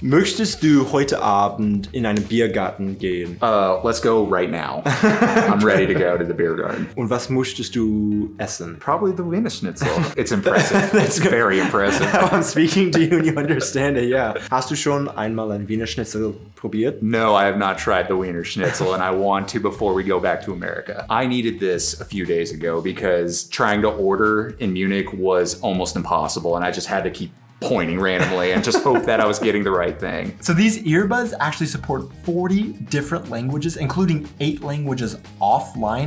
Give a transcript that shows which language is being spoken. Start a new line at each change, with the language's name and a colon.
German: Möchtest du heute Abend in einen Biergarten gehen?
English: Let's go right now. I'm ready to go to the beer garden.
German: Und was möchtest du essen?
English: Probably the Wiener Schnitzel. It's impressive. It's very impressive. How I'm speaking to you and you understand it, yeah.
German: Hast du schon einmal ein Wiener Schnitzel probiert?
English: No, I have not tried the Wiener Schnitzel, and I want to before we go back to America. I needed this a few days ago because trying to order in Munich was almost impossible, and I just had to keep pointing randomly and just hope that I was getting the right thing. So these earbuds actually support 40 different languages, including 8 languages offline.